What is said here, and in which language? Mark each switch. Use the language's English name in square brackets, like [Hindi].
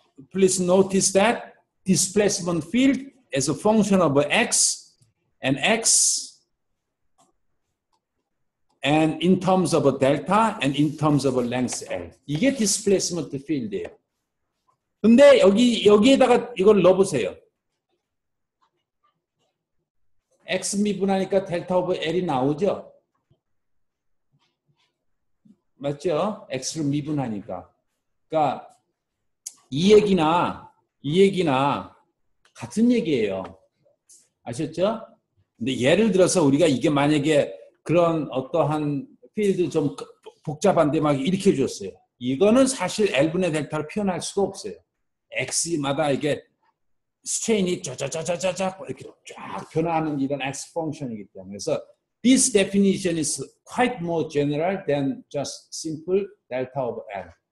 [English] please notice that displacement field is a function of x and x and in terms of a delta and in terms of a length L. [Korean] 이게 displacement field예요. 근데 여기에다가 이걸 넣어보세요. x 미분하니까 델타 오브 L이 나오죠? 맞죠? x를 미분하니까. 그러니까 이 얘기나 같은 얘기예요. 아셨죠? 근데 예를 들어서 우리가 이게 만약에 그런 어떠한 필드 좀 복잡한데 막 이렇게 줬어요. 이거는 사실 L분의 델타를 표현할 수가 없어요. X마다 이게 스트레인이 쫙쫙쫙쫙쫙 이렇게 쫙 변화하는 이런 X 펑션이기 때문에. 그래서 [English] this definition is quite more general than just simple delta of L.